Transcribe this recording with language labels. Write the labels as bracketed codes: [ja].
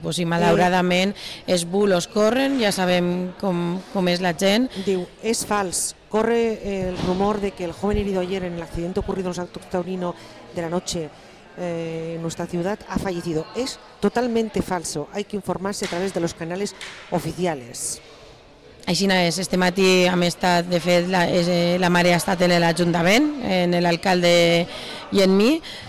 [ca] Pues, i malauradament els bulos corren, ja sabem com és la gent. Diu, és fals. [es] Corre el rumor de que el joven herido ayer en el accidente ocurrido en el Salto Taurino de la noche en nuestra ciudad ha fallecido. Es totalmente falso. Hay que informarse a través de los canales oficiales. [ca] Així és. Este matí hem estat, de fet, la mare ha estat en l'Ajuntament, en l'alcalde i en mi.